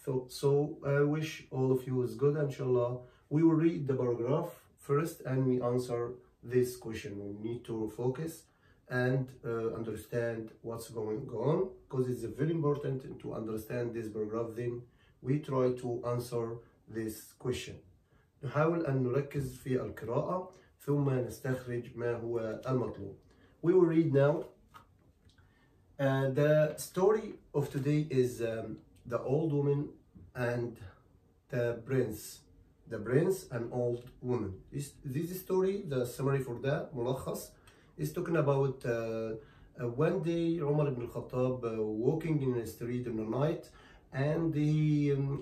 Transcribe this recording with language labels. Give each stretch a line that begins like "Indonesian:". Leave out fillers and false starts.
English: So I wish all of you is good inshallah. We will read the paragraph first and we answer this question. We need to focus and understand what's going on, because it's very important to understand this paragraph. Then we try to answer this question.
Arabic: نحاول أن نركز في القراءة ثم نستخرج ما هو المطلوب.
English: We will read now. The story of today is the old woman and the prince. The prince and old woman. This story, the summary for that,
Arabic: ملخص,
English: is talking about one day Umar ibn al-Khattab walking in the street in the night, and he